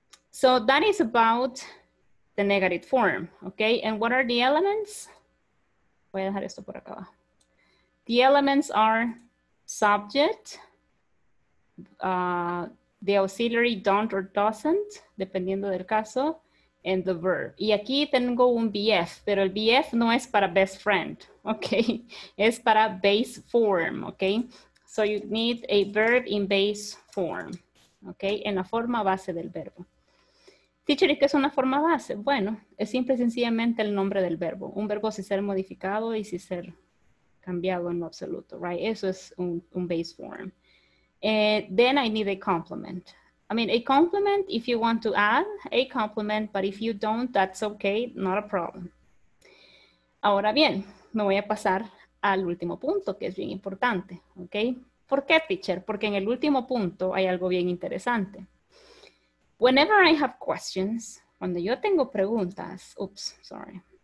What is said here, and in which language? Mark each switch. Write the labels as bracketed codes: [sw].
[en] So that is about the negative form, okay? And what are the elements? [es] Voy a dejar esto por acá. [en] The elements are subject, the auxiliary don't or doesn't, [es] dependiendo del caso, [en] and the verb. [es] Y aquí tengo un BF, pero el BF no es para [en] best friend, [es] okay? Es para base form, okay? [en] So you need a verb in base form, okay? [es] En la forma base del verbo. Teacher, ¿y qué es una forma base? Bueno, es simple y sencillamente el nombre del verbo. Un verbo sin ser modificado y sin ser cambiado en lo absoluto, right? Eso es un [en] base form. Then I need a complement. I mean, a complement, if you want to add a complement, but if you don't, that's okay, not a problem. [es] Ahora bien, me voy a pasar al último punto, que es bien importante, okay? ¿Por qué, teacher? Porque en el último punto hay algo bien interesante. [en] Whenever I have questions, [es] cuando yo tengo preguntas, [en] oops, sorry.